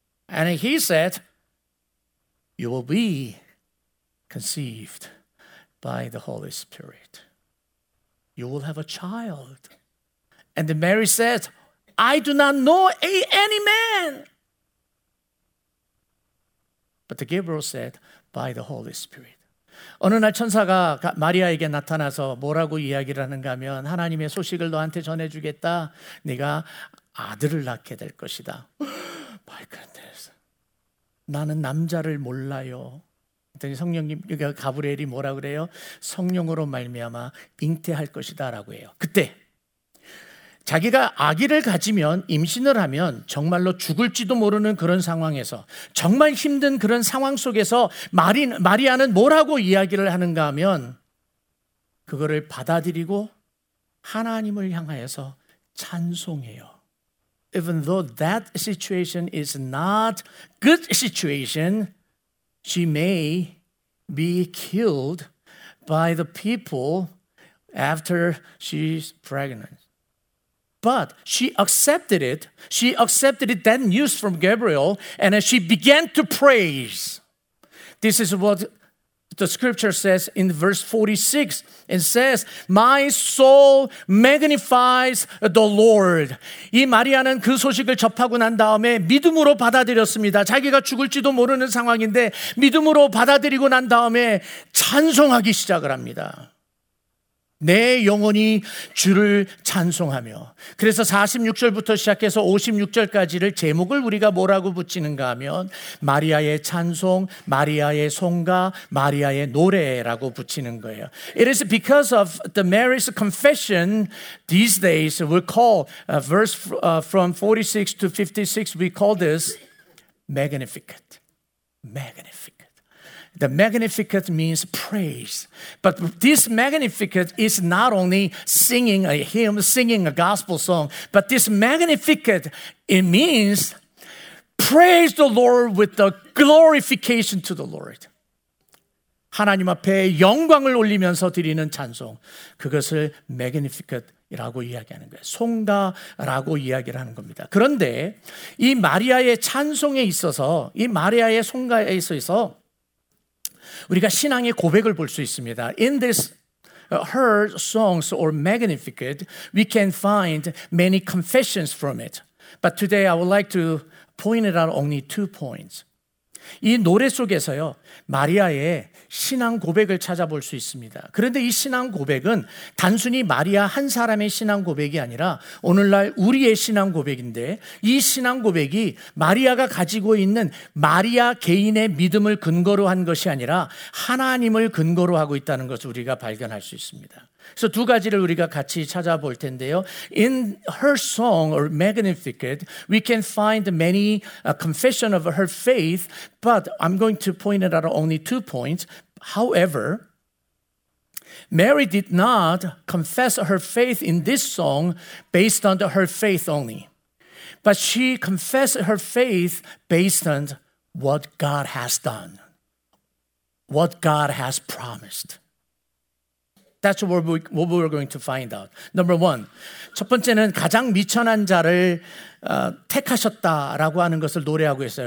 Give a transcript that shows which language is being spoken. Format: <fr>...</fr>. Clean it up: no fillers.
<en>And he said, You will be conceived by the Holy Spirit. You will have a child. And Mary says, I do not know any man. But the Gabriel said, by the Holy Spirit.</en> <ko>어느 날 천사가 마리아에게 나타나서 뭐라고 이야기를 하는가 하면 하나님의 소식을 너한테 전해주겠다. 네가 아들을 낳게 될 것이다.</ko> <en>My goodness.</en> <ko>나는 남자를 몰라요. 그랬더니 성령님, 가브리엘이 뭐라 그래요? 성령으로 말미암아 잉태할 것이다 라고 해요. 그때 자기가 아기를 가지면 임신을 하면 정말로 죽을지도 모르는 그런 상황에서 정말 힘든 그런 상황 속에서 마리아는 뭐라고 이야기를 하는가 하면 그거를 받아들이고 하나님을 향하여서 찬송해요.</ko> <en>Even though that situation is not good situation, she may be killed by the people after she's pregnant. But she accepted it. She accepted that news from Gabriel, and she began to praise. This is what the scripture says in verse 46. It says, My soul magnifies the Lord.</en> <ko>이 마리아는 그 소식을 접하고 난 다음에 믿음으로 받아들였습니다. 자기가 죽을지도 모르는 상황인데 믿음으로 받아들이고 난 다음에 찬송하기 시작을 합니다. 내 영혼이 주를 찬송하며 그래서 46절부터 시작해서 56절까지를 제목을 우리가 뭐라고 붙이는가 하면 마리아의 찬송, 마리아의 송가, 마리아의 노래라고 붙이는 거예요.</ko> <en>It is because of the Mary's confession these days we call verse from 46 to 56 we call this Magnificat. Magnificat. The Magnificat means praise. But this Magnificat is not only singing a hymn, singing a gospel song, but this Magnificat, it means praise the Lord with the glorification to the Lord.</en> <ko>하나님 앞에 영광을 올리면서 드리는 찬송. 그것을 Magnificat이라고 이야기하는 거예요. 송가라고 이야기를 하는 겁니다. 그런데 이 마리아의 찬송에 있어서, 이 마리아의 송가에 있어서 우리가 신앙의 고백을 볼 수 있습니다.</ko> <en>In this, her songs or Magnificat, we can find many confessions from it. But today I would like to point it out only two points.</en> <ko>이 노래 속에서요, 마리아의 신앙 고백을 찾아볼 수 있습니다. 그런데 이 신앙 고백은 단순히 마리아 한 사람의 신앙 고백이 아니라 오늘날 우리의 신앙 고백인데 이 신앙 고백이 마리아가 가지고 있는 마리아 개인의 믿음을 근거로 한 것이 아니라 하나님을 근거로 하고 있다는 것을 우리가 발견할 수 있습니다. 그래서 두 가지를 우리가 같이 찾아볼 텐데요.</ko> <en>In her song or Magnificat, we can find many confession of her faith, but I'm going to point it out only two points. However, Mary did not confess her faith in this song based on her faith only, but she confessed her faith based on what God has done, what God has promised. That's what we're going to find out. Number one,</en> <ko>첫 번째는 가장 미천한 자를 택하셨다라고 하는 것을 노래하고 있어요.</ko>